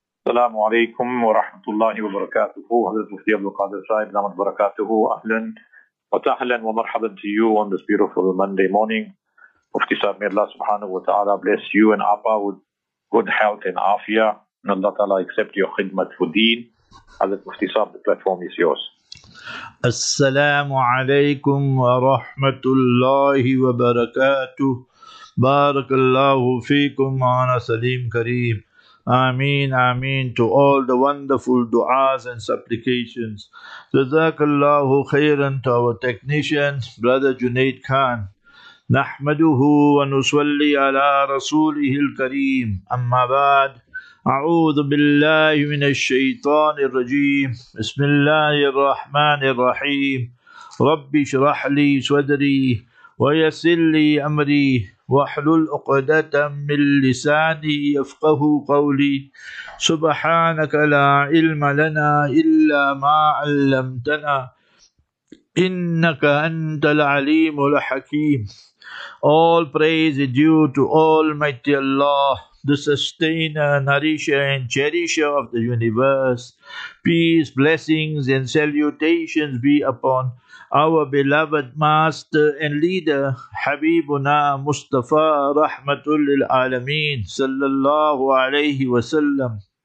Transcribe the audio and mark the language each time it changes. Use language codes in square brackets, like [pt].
[ar] السلام عليكم ورحمة الله وبركاته. هذا المفتي عبد القادر صاحب دام بركاته، أهلا وسهلا ومرحبا [en] to you on this beautiful Monday morning. [ar] مفتي صاحب، [en] may Allah [ar] سبحانه وتعالى [en] bless you and Appa with good health and afia. May Allah تعالى accept your خدمة for deen. [ar] هذا المفتي صاحب، [en] the platform is yours. [ar] السلام عليكم ورحمة الله وبركاته. بارك الله فيكم. أنا سليم كريم. [en] Ameen, ameen to all the wonderful du'as and supplications. Jazakallahu khairan to our technician, Brother Junaid Khan. [ar] Nahmaduhu wa nusalli ala rasulihil kareem. Amma ba'd. A'udhu billahi minash shaitanir rajeem. Bismillahir rahmanir rahim. Rabbi shrah li sadri wa yassir li amri. واحلل عقدة من لساني يفقه قولي سبحانك لا علم لنا إلا ما علمتنا إنك أنت العليم الحكيم. [en] All praise is due to Almighty Allah, the sustainer, nourisher and cherisher of the universe. Peace, blessings and salutations be upon our beloved master and leader, Habibuna Mustafa Rahmatul Alameen, Sallallahu Alaihi Wasallam.